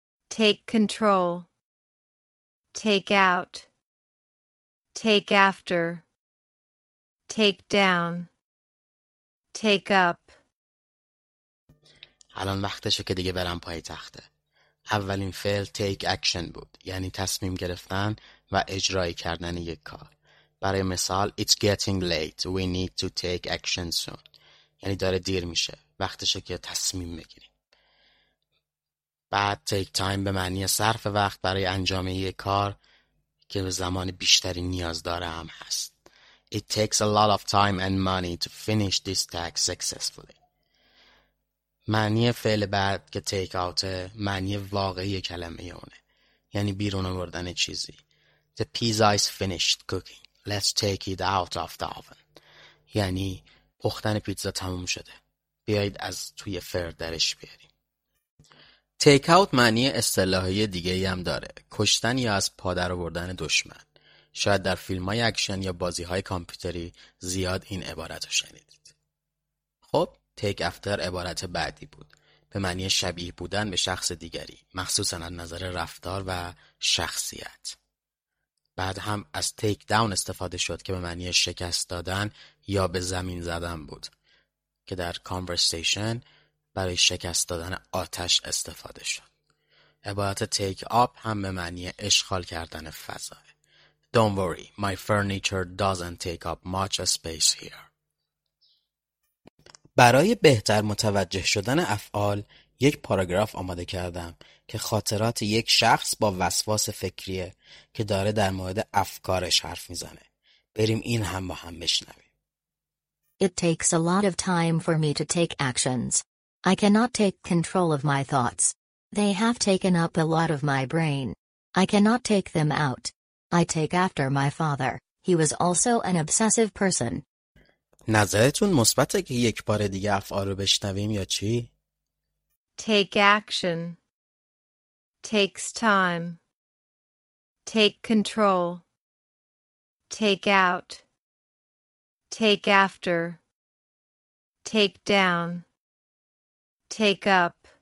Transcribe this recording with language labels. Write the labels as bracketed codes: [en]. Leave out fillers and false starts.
[en] Take control. Take out. Take after. Take down. Take up. [fa] الان وقتشه که دیگه برم پای تخته. اولین فعل take action بود، یعنی تصمیم گرفتن و اجرای کردن یک کار. برای مثال [en] It's getting late. We need to take action soon. [fa] یعنی داره دیر میشه، وقتشه که تصمیم بگیریم. بعد take time به معنی صرف وقت برای انجام یک کار که زمان بیشتری نیاز داره هم هست. [en] It takes a lot of time and money to finish this task successfully. [fa] معنی فعل بعد که take out، معنی واقعی کلمه اونه، یعنی بیرون آوردن چیزی. [en] The pizza is finished cooking. Let's take it out of the oven. [fa] یعنی پختن پیتزا تموم شده، بیایید از توی فر درش بیاریم. تیک اوت معنی اصطلاحی دیگه ای هم داره، کشتن یا از پا در آوردن دشمن. شاید در فیلم های اکشن یا بازی های کامپیوتری زیاد این عبارت رو شنیدید. خب، تیک افتر عبارت بعدی بود، به معنی شبیه بودن به شخص دیگری، مخصوصا از نظر رفتار و شخصیت. بعد هم از تیک داون استفاده شد که به معنی شکست دادن یا به زمین زدن بود، که در کانورسیشن برای شکست دادن آتش استفاده شد. عبارت تیک آپ هم به معنی اشغال کردن فضا. [en] Don't worry, my furniture doesn't take up much space here. [fa] برای بهتر متوجه شدن افعال، یک پاراگراف آماده کردم که خاطرات یک شخص با وسواس فکریه که داره در مورد افکارش حرف میزنه. بریم این هم با هم بشنویم. [en] It takes a lot of time for me to take actions. I cannot take control of my thoughts. They have taken up a lot of my brain. I cannot take them out. I take after my father. He was also an obsessive person. [fa] نظرتون مثبته که یک بار دیگه افعال رو بشنویم یا چی؟ [en] Take action. Takes time. Take control. Take out. Take after. Take down. Take up.